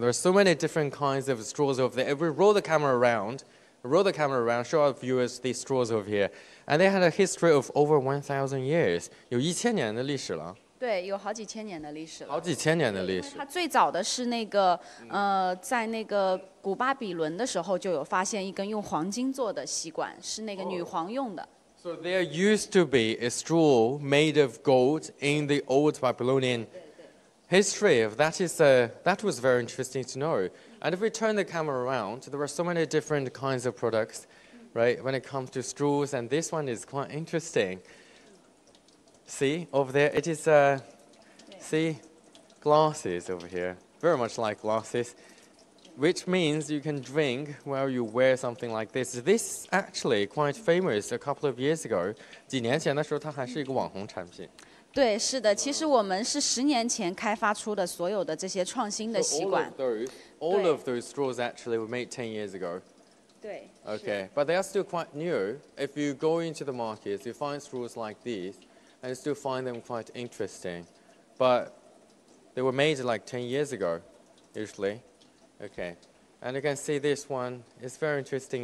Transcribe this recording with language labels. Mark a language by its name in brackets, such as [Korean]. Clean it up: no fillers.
[English] There are so many different kinds of straws over there. If we roll the camera around, show our viewers these straws over here. And they had a history of over 1,000 years. [Chinese] 有1000年的历史了。对，有好几千年的历史了。因为它最早的是那个，在那个古巴比伦的时候就有发现一根用黄金做的吸管，是那个女皇用的。So [English] there used to be a straw made of gold in the old Babylonian history. That was very interesting to know. And if we turn the camera around, there are so many different kinds of products, right, when it comes to straws, and this one is quite interesting. See, over there, it is, see, glasses over here, very much like glasses, which means you can drink while you wear something like this. This is actually quite famous a couple of years ago. [Chinese] 几年前的时候，它还是一个网红产品。对，是的，其实我们是10年前开发出的所有的这些创新的吸管。 [English] So all of those straws actually were made 10 years ago. [Chinese] 对。Okay, [English] but they are still quite new. If you go into the markets, you find straws like these, and you still find them quite interesting. But they were made like 10 years ago, usually. Okay, and you can see this one. It's very interesting.